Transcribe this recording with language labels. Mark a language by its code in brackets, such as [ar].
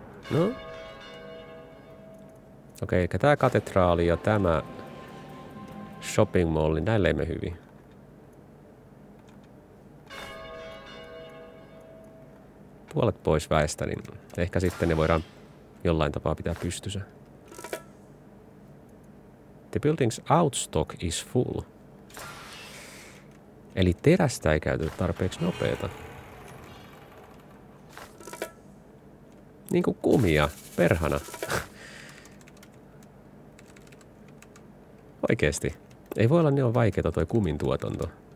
[fi] No. Okei, okay, eli tämä katedraali ja tämä shopping mall, niin näille ei mene hyvin. Puolet pois väestä, niin ehkä sitten ne voidaan jollain tapaa pitää pystyssä. [en] The building's outstock is full. [fi] Eli terästä ei käytetä tarpeeksi nopeeta. Niinku kumia, perhana. Oikeesti. Ei voi olla niin vaikeeta toi kumin tuotanto.